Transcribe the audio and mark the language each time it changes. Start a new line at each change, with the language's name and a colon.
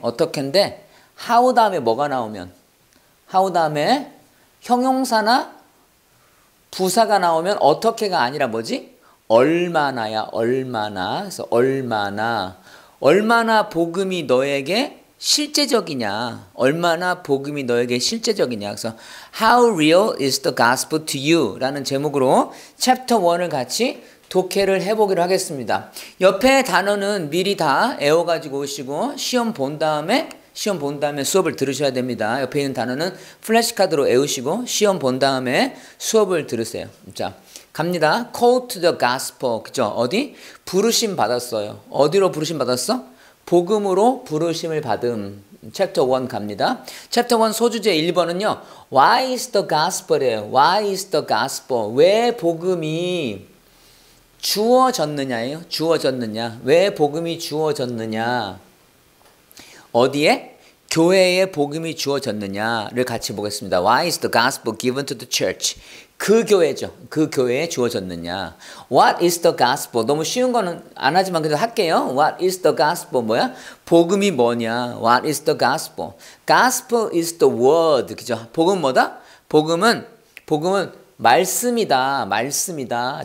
Korean: 어떻게인데 how 다음에 뭐가 나오면, how 다음에 형용사나 부사가 나오면 어떻게가 아니라 뭐지? 얼마나야. 얼마나. 그래서 얼마나. 얼마나 복음이 너에게 실제적이냐. 얼마나 복음이 너에게 실제적이냐. 그래서
English: how real is the gospel to you?
Korean: 라는 제목으로 chapter 1을 같이 독해를 해보기로 하겠습니다. 옆에 단어는 미리 다 외워가지고 오시고 시험 본 다음에 수업을 들으셔야 됩니다. 옆에 있는 단어는 플래시카드로 외우시고 시험 본 다음에 수업을 들으세요. 자, 갑니다.
English: Call to the gospel.
Korean: 그죠? 어디? 부르심 받았어요. 어디로 부르심 받았어? 복음으로 부르심을 받음. Chapter 1 갑니다. Chapter 1 소주제 1번은요.
English: Why is the gospel
Korean: 이에요?
English: Why is the gospel?
Korean: 왜 복음이 주어졌느냐예요. 주어졌느냐. 왜 복음이 주어졌느냐. 어디에? 교회에 복음이 주어졌느냐를 같이 보겠습니다.
English: Why is the gospel given to the church?
Korean: 그 교회죠. 그 교회에 주어졌느냐.
English: What is the gospel?
Korean: 너무 쉬운 거는 안 하지만 그래도 할게요.
English: What is the gospel?
Korean: 뭐야? 복음이 뭐냐.
English: What is the gospel? Gospel is the word.
Korean: 그죠? 복음 뭐다? 복음은 말씀이다. 말씀이다.